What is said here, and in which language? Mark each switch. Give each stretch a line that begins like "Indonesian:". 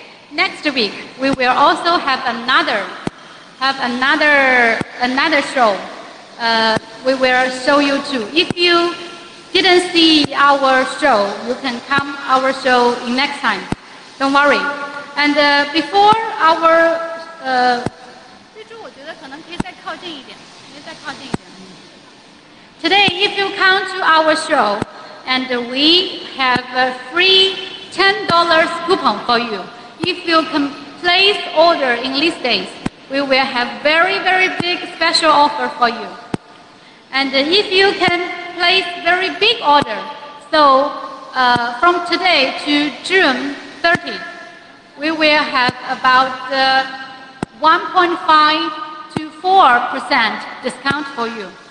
English: next week we will also have another show. We will show you too. If you didn't see our show, you can come our show next time. Don't worry. And before our
Chinese: 最终我觉得可能可以再靠近一点，可以再靠近一点。
English: Today, if you come to our show, and we have a free $10 coupon for you. If you can place order in these days, we will have very, very big special offer for you. And if you can place very big order, so from today to June 30th, we will have about 1.5 to 4% discount for you.